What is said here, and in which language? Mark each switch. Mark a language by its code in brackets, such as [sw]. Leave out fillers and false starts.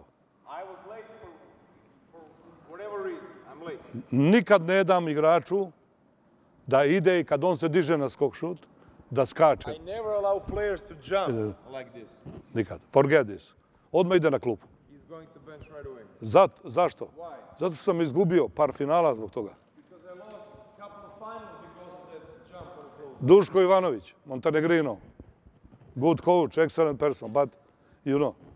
[en] I was late for whatever reason. I'm late. [sr] Nikad ne dam igraču da ide i kad on se diže na skok šut, da skače. [en] I never allow players to jump like this. [sr] Nikad. [en] Forget this. [sr] Odmah ide na klub. [en] He's going to bench right away. [sr] Zašto? [en] Why? [sr] Zato što sam izgubio par finala zbog toga. [en] Because I lost a couple of finals because of that jump on the floor. Duško Ivanović, Montenegrino. Good coach, excellent person, but you know.